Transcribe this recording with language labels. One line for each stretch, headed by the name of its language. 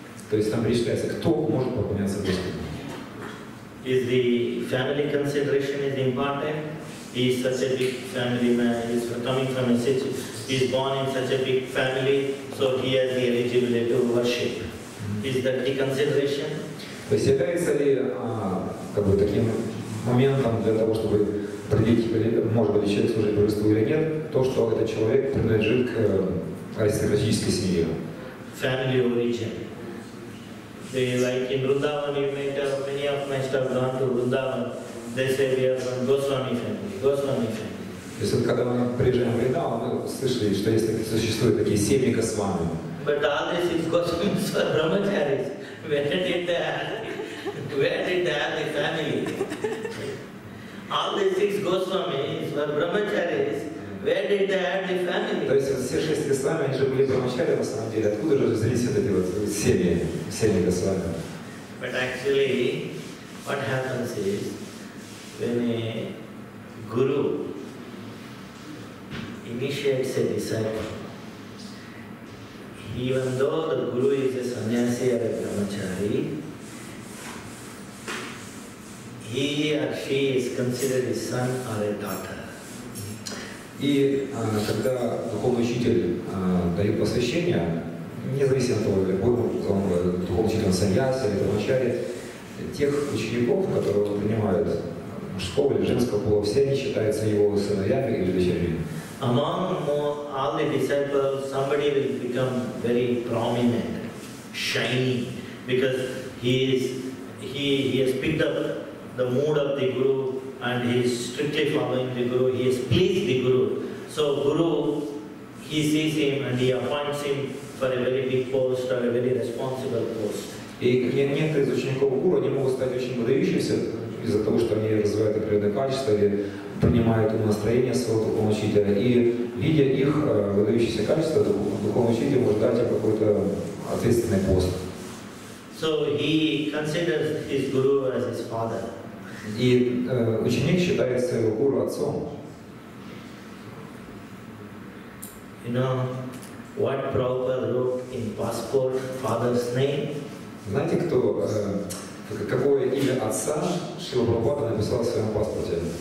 Russian: То есть там перечисляется, кто может поклоняться Господу.
English: Is the family consideration is important? He is such a big family man. He is coming from a city. He is born in such a big family, so he has the eligibility to worship. Is that the consideration?
Russian: То есть является ли как бы таким моментом для того, чтобы определить, может быть, человек служит Божеству или нет, то, что этот человек принадлежит к аристократической семье?
English: Family origin. Like in Vrindavan, you may tell many of my staff gone to Vrindavan. They say we are from Goswami family. Goswami family.
Russian: То есть когда мы приезжаем в Вриндаван, мы слышали, что есть существуют такие семьи Госвами.
English: But all this is Goswami for Brahmacharis. Where did they have the family? All the six Goswamis were Brahmacharis. Where did they have the family?
Russian: То есть все шесть Госвами, они же были Брахмачари на самом деле. Откуда же взялись эти вот семьи Госвами?
English: But actually, what happens is, when a guru initiates a disciple, even though the guru is a sannyasi or a brahmachari, he or she is considered a son or a daughter.
Russian: И когда духовный учитель дает посвящение, независимо от того, духовный учитель саньяси или брахмачари, тех учеников, которые он принимает мужского или женского пола, все они считаются его сыновьями или дочерьми.
English: Among all the disciples, somebody will become very prominent, shiny, because he has picked up the mood of the guru and he is strictly following the guru. He has pleased the guru, so guru he sees him and he appoints him for a very big post or a very responsible post.
Russian: И некоторые из учеников гуру они могут стать очень выдающимися из-за того, что они развивают определенные качества или принимают настроение своего духовного учителя, и видя их выдающиеся качества, духовный учитель может дать им какой-то ответственный пост.
English: So he considers his guru as his father.
Russian: И ученик считает своего гуру отцом.
English: You know what Prabhupada wrote in passport, father's name?
Russian: Знаете, кто какое имя отца Шрила Прабхупада написал в своем паспорте?